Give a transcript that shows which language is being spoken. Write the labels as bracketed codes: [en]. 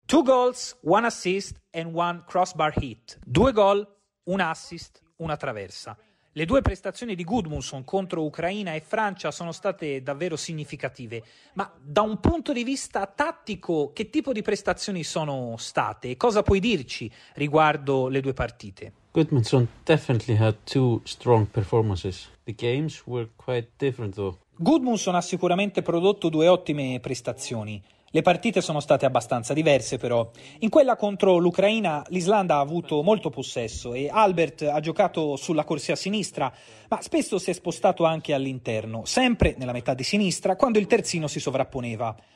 [en] Two goals, one assist and one crossbar hit. [it] Due gol, un assist, una traversa. Le due prestazioni di Gudmundsson contro Ucraina e Francia sono state davvero significative. Ma da un punto di vista tattico, che tipo di prestazioni sono state? Cosa puoi dirci riguardo le due partite? [en] Gudmundsson definitely had two strong performances. The games were quite different though. [it] Gudmundsson ha sicuramente prodotto due ottime prestazioni. Le partite sono state abbastanza diverse però. In quella contro l'Ucraina l'Islanda ha avuto molto possesso e Albert ha giocato sulla corsia sinistra, ma spesso si è spostato anche all'interno, sempre nella metà di sinistra, quando il terzino si sovrapponeva.